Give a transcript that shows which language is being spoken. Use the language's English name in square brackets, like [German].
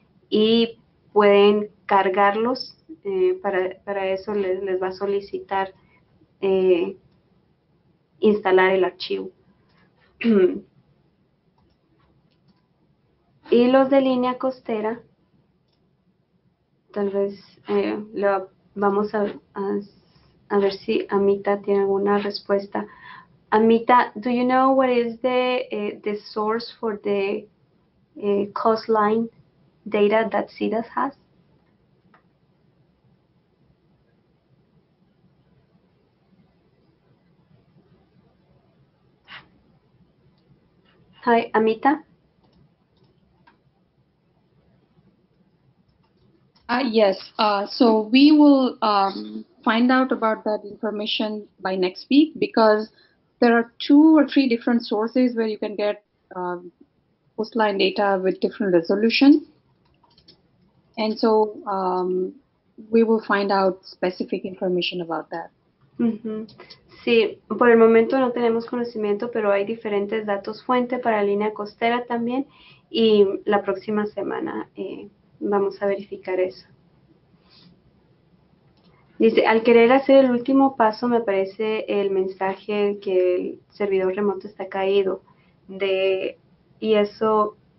[Spanish] Y pueden cargarlos, para eso les va a solicitar instalar el archivo. Y los de línea costera, tal vez vamos a ver si Amita tiene alguna respuesta. [English] Amita, do you know what is the source for the coastline data that CDAS has? Hi, Amita. Yes. So we will find out about that information by next week, because there are two or three different sources where you can get coastline data with different resolution. And so we will find out specific information about that. [Spanish] Sí, por el momento no tenemos conocimiento, pero hay diferentes datos fuente para línea costera también, y la próxima semana vamos a verificar eso. Dice, al querer hacer el último paso, me aparece el mensaje que el servidor remoto está caído, y eso